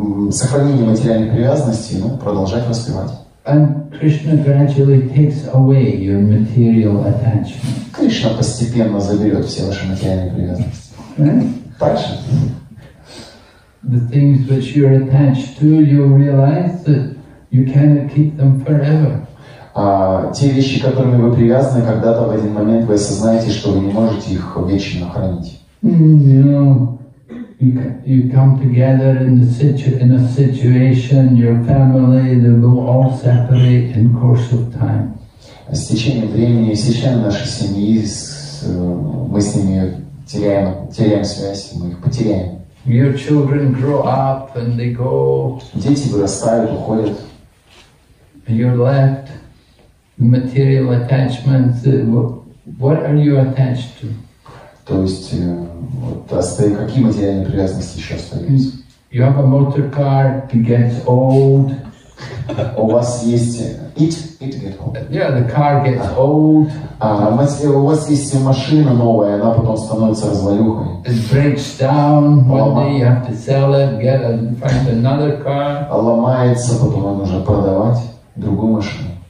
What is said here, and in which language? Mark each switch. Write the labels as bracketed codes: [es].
[ru] Сохранение материальной привязанности, продолжать воспевать. [en] And Krishna gradually takes away your material attachment. [ru] Кришна постепенно заберет все ваши материальные привязанности. Дальше. [en] The things which you are attached to, you realize that you cannot keep them forever. [ru] Те вещи, которыми вы привязаны, когда-то в один момент вы осознаете, что вы не можете их вечно хранить. [en] You know, you come together in a situation, your family, they will all separate in course of time. [ru] С течением времени, все члены нашей семьи, мы с ними теряем связь, мы их потеряем. [en] Your children grow up and they go. [ru] Дети вырастают, уходят. [en] You're left material attachments. What are you attached to? [ru] То есть, какие материальные привязанности еще остаются? [en] You have a motor car, it gets old. [ru] У вас есть... [en] It gets old. Yeah, the car gets old. [ru] У вас есть машина новая, она потом становится развалюхой. [en] It breaks down, one day you have to sell it, find another car. [ru] Ломается, потом нужно продавать другую машину.